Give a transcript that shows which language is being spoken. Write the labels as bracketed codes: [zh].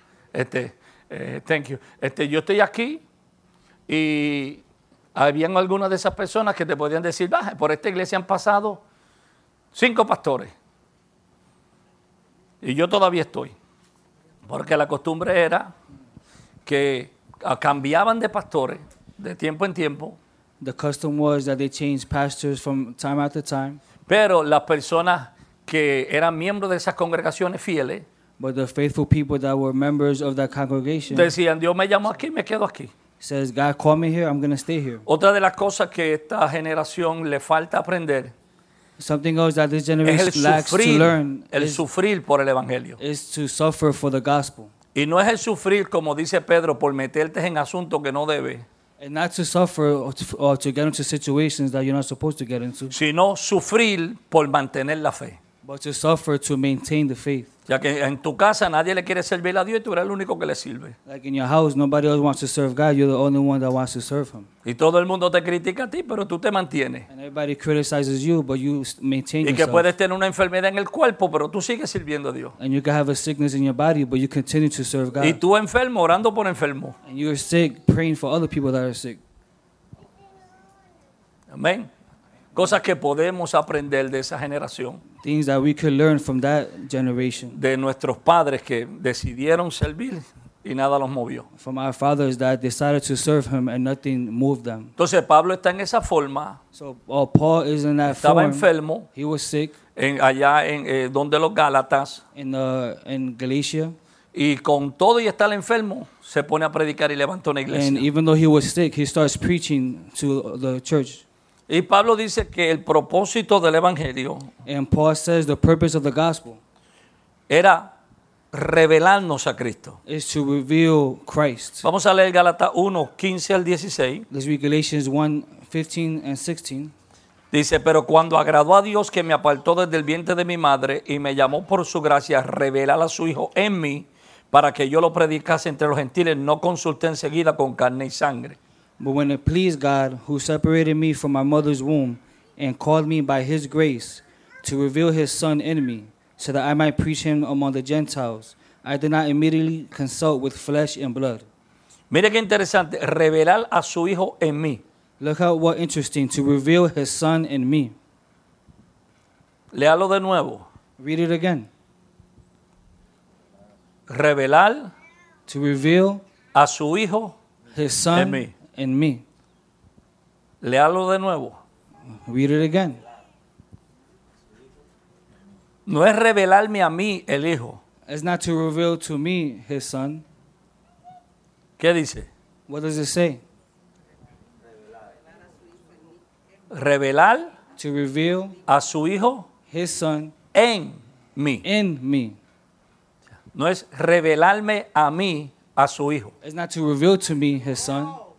[en] Thank you. [es] Yo estoy aquí y habían algunas de esas personas que te podían decir, baja, por esta iglesia han pasado 5 pastores. Y yo todavía estoy. Porque la costumbre era que cambiaban de pastores de tiempo en tiempo. [en] The custom was that they changed pastors from time after time. [es] Pero las personas que eran miembros de esas congregaciones fieles, [en] but the faithful people that were members of that congregation, [es] decían, Dios me llamó aquí, me quedo aquí. [en] Says, God called me here, I'm going to stay here. [es] Otra de las cosas que esta generación le falta aprender, [en] something else that this generation lacks to learn, [es] el sufrir por el evangelio, [en] is to suffer for the gospel. [es] Y no es el sufrir, como dice Pedro, por meterte en asuntos que no debes. [en] And not to suffer or to get into situations that you're not supposed to get into. [es] Sino sufrir por mantener la fe. [en] But to suffer to maintain the faith. [es] Ya que en tu casa nadie le quiere servir a Dios y tú eres el único que le sirve. [en] Like in your house, nobody else wants to serve God. You're the only one that wants to serve Him. [es] Y todo el mundo te critica a ti, pero tú te mantienes. [en] And everybody criticizes you, but you maintain yourself. [es] Y que puedes tener una enfermedad en el cuerpo, pero tú sigues sirviendo a Dios. [en] And you can have a sickness in your body, but you continue to serve God. [es] Y tú enfermo, orando por enfermo. [en] And you're sick, praying for other people that are sick. [es] Amén. Cosas que podemos aprender de esa generación. [en] Things that we could learn from that generation. [es] De nuestros padres que decidieron servir y nada los movió. [en] From our fathers that decided to serve him and nothing moved them. [es] Entonces Pablo está en esa forma. [en] So Paul is in that [es] form. Estaba enfermo. [en] He was sick. [es] En, allá en donde los Gálatas. [en] In Galatia. [es] Y con todo y estar enfermo, se pone a predicar y levantó una iglesia. [en] And even though he was sick, he starts preaching to the church. [es] Y Pablo dice que el propósito del evangelio, [en] and Paul says the purpose of the gospel, [es] era revelarnos a Cristo, [en] is to reveal Christ. [es] Vamos a leer Gálatas 1, 15 al 16. [en] Let's read Galatians 1, 15 and 16. [es] Dice, pero cuando agradó a Dios que me apartó desde el vientre de mi madre y me llamó por su gracia a revelar a su Hijo en mí para que yo lo predicase entre los gentiles, no consulté enseguida con carne y sangre. [en] But when it pleased God, who separated me from my mother's womb and called me by his grace to reveal his son in me so that I might preach him among the Gentiles, I did not immediately consult with flesh and blood. [es] Mira qué interesante, revelar a su hijo en mí. [en] Look how what interesting, to reveal his son in me. [es] Léalo de nuevo. [en] Read it again. [es] Revelar. [en] To reveal. [es] A su hijo. [en] His son. [es] En mí. [en] In me. [es] Léalo de nuevo. [en] Read it again. [es] No es revelarme a mí el hijo. [en] It's not to reveal to me his son. [es] ¿Qué dice? [en] What does it say? [es] Revelar. [en] To reveal. [es] A su hijo. [en] His son. [es] En mí. [en] In me. [es] No es revelarme a mí a su hijo. [en] It's not to reveal to me his son.